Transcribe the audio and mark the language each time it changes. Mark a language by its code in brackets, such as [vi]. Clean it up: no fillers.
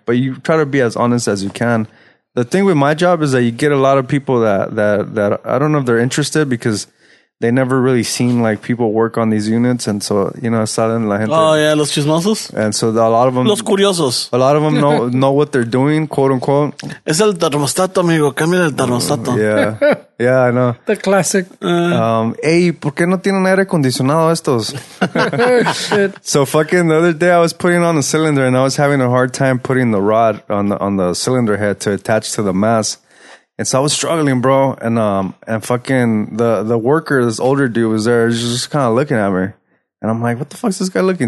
[en] But you try to be as honest as you can. The thing with my job is that you get a lot of people that I don't know if they're interested, because they never really seen, like, people work on these units. And so, you know, [es] salen la gente. [en] Oh, yeah, [es] los chismosos. [en] And so a lot of them. [es] Los curiosos. [en] A lot of them know what they're doing, quote unquote. [es] Es el termostato, amigo. Cambia el termostato. [en] Yeah, I know. The classic. Hey, [es] ¿por qué no tienen aire acondicionado estos? [en] Shit. So fucking the other day I was putting on the cylinder and I was having a hard time putting the rod on the cylinder head to attach to the mass. And so I was struggling, bro. And fucking the worker, this older dude was there. He was just kind of looking at me. And I'm like, what the fuck is this guy looking?